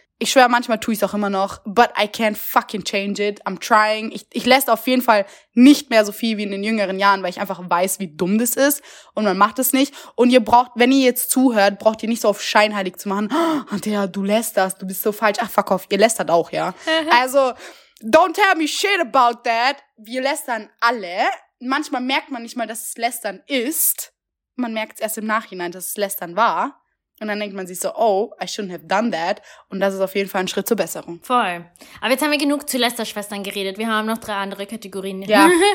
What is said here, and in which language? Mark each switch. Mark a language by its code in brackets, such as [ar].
[de] Ich schwöre, manchmal tue ich es auch immer noch, [en] but I can't fucking change it. I'm trying. [de] Ich lässt auf jeden Fall nicht mehr so viel wie in den jüngeren Jahren, weil ich einfach weiß, wie dumm das ist und man macht es nicht. Und ihr braucht, wenn ihr jetzt zuhört, braucht ihr nicht so auf scheinheilig zu machen. Oh, Andrea, du lästerst, du bist so falsch. Ach, [en] fuck off, [de] ihr lästert auch, ja. [en] Also, don't tell me shit about that. [de] Wir lästern alle. Manchmal merkt man nicht mal, dass es lästern ist. Man merkt es erst im Nachhinein, dass es lästern war. Und dann denkt man sich so, [en] oh, I shouldn't have done that. [de] Und das ist auf jeden Fall ein Schritt zur Besserung. Voll. Aber jetzt haben wir genug zu Lästerschwestern geredet. Wir haben noch drei andere Kategorien. Ja.